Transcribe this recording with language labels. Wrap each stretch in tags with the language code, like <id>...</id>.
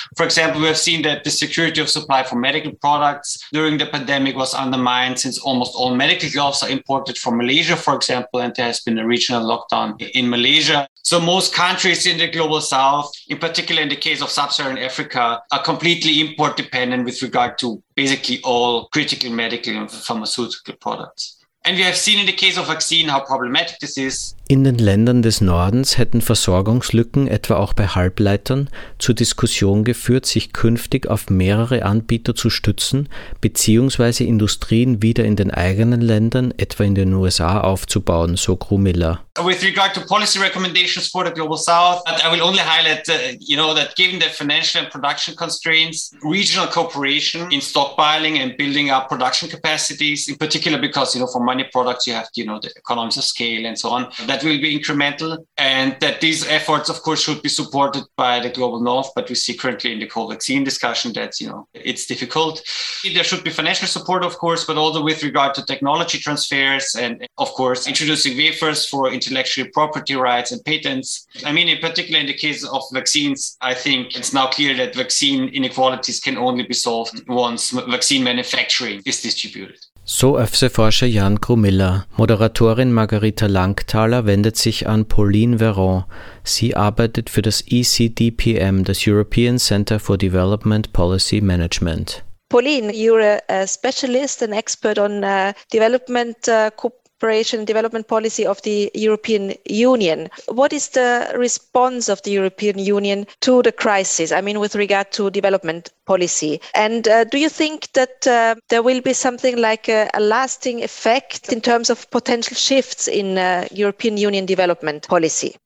<en>For example, we have seen that the security of supply for medical products during the pandemic was undermined since almost all medical gloves are imported from Malaysia, for example, and there has been a regional lockdown in Malaysia. So most countries in the global south, in particular in the case of sub-Saharan Africa, are completely import dependent with regard to basically all critical medical and pharmaceutical products. And we have seen in the case of vaccine how problematic this is.</en> <de>In den Ländern des Nordens hätten Versorgungslücken etwa auch bei Halbleitern zur Diskussion geführt, sich künftig auf mehrere Anbieter zu stützen, beziehungsweise Industrien wieder in den eigenen Ländern, etwa in den USA, aufzubauen, so Grumiller.</de> <en>With regard to policy recommendations for the Global South, I will only highlight you know, that given the financial and production constraints, regional cooperation in stockpiling and building up production capacities, in particular because you know, for many products you have you know, the economies of scale and so on, that will be incremental, and that these efforts, of course, should be supported by the Global North, but we see currently in the COVID vaccine discussion that, you know, it's difficult. There should be financial support, of course, but also with regard to technology transfers and, of course, introducing waivers for intellectual property rights and patents. I mean, in particular, in the case of vaccines, I think it's now clear that vaccine inequalities can only be solved once vaccine manufacturing is distributed.</en> <de>So ÖFSE-Forscher Jan Grumiller. Moderatorin Margarita Langthaler wendet sich an Pauline Véran. Sie arbeitet für das ECDPM, das European Center for Development Policy Management.</de> <en>Pauline, you're a specialist and expert on development cooperation and development policy of the European Union. What is the response of the European Union to the crisis? I mean, with regard to development policy. And do you think that there will be something like a lasting effect in terms of potential shifts in European Union development policy?</en>